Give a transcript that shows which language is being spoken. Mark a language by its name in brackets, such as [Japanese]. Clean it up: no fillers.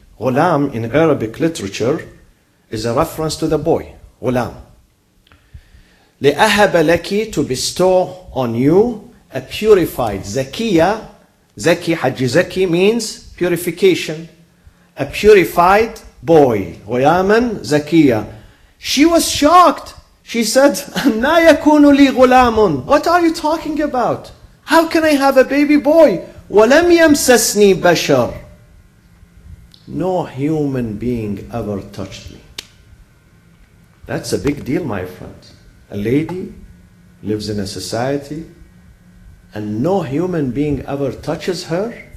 [English] غُلَام in Arabic literature is a reference to the boy, غُلَام. [Arabic] لِأَهَبَ لَكِ, [English] to bestow on you a purified زَكِيًّا. زَكِي, حَجِّ زَكِي means purification, a purified boy, غُلَامًا زَكِيًّا. She was shocked. She said, [Arabic] أَنَّا يَكُونُ لِي غُلَامٌ. [English] What are you talking about? How can I have a baby boy? [Arabic] وَلَمْ يَمْسَسْنِي بَشَرٌ. [English] No human being ever touched me. That's a big deal, my friend. A lady lives in a society and no human being ever touches her.